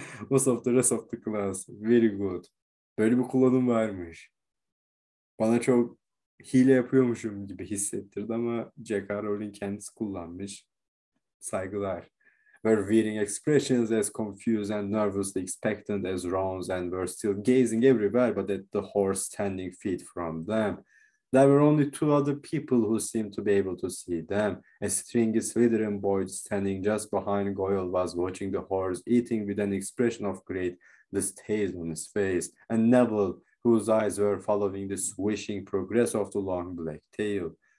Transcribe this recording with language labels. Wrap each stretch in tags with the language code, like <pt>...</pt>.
<en>Most of the rest of the class, very good.</en> <tr>Böyle bir kullanım varmış. Bana çok hile yapıyormuşum gibi hissettirdi ama J.K. Rowling kendisi kullanmış. Saygılar.</tr> <en>Were wearing expressions as confused and nervously expectant as Ron's and were still gazing everywhere but at the horse standing feet from them. There were only two other people who seemed to be able to see them. A stringy Slytherin boy standing just behind Goyle was watching the horse eating with an expression of great distaste on his face, and Neville, whose eyes were following the swishing progress of the long black tail.</en>